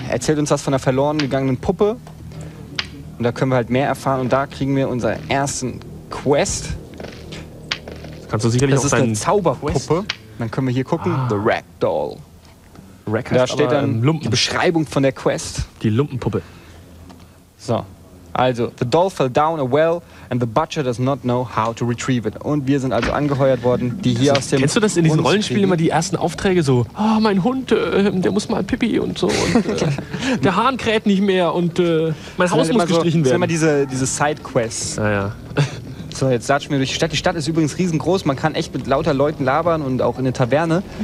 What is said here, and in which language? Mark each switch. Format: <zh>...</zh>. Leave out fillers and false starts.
<de>Er erzählt uns was von der verloren gegangenen Puppe. Und da können wir halt mehr erfahren. Und da kriegen wir unseren ersten Quest. Das kannst du sicherlich das auch sein. Das ist eine Zauberpuppe. Dann können wir hier gucken.</de> <en>The Ragdoll. Rack</en> <de>da steht dann die Beschreibung von der Quest. Die Lumpenpuppe. So.</de> <en>Also, the doll fell down a well and the butcher does not know how to retrieve it.</en> <de>Und wir sind also angeheuert worden, die hier aus dem... Kennst du das in diesen Rollenspielen immer, die ersten Aufträge so? Ah, oh, mein Hund, der muss mal Pipi und so. Und, der Hahn kräht nicht mehr und mein Haus muss gestrichen werden. Das sind immer diese Side-Quests. Ah, ja. So, jetzt latschen wir durch die Stadt. Die Stadt ist übrigens riesengroß. Man kann echt mit lauter Leuten labern und auch in eine Taverne.</de>